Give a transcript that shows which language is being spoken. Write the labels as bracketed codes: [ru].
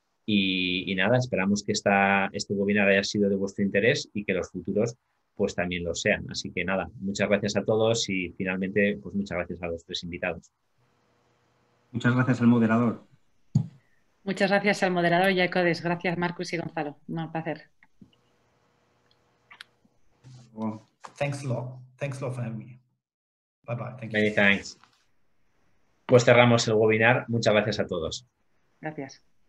[es] Y nada, esperamos que este webinar haya sido de vuestro interés y que los futuros pues también lo sean. Así que nada, muchas gracias a todos y finalmente pues muchas gracias a los tres invitados. Muchas gracias al moderador. Muchas gracias al moderador y a Codes. Gracias, Marcus y Gonzalo. Un placer. [en] Well, thanks a lot for having me. Bye bye. Thank you. Many thanks. [es] Pues cerramos el webinar. Muchas gracias a todos. Gracias.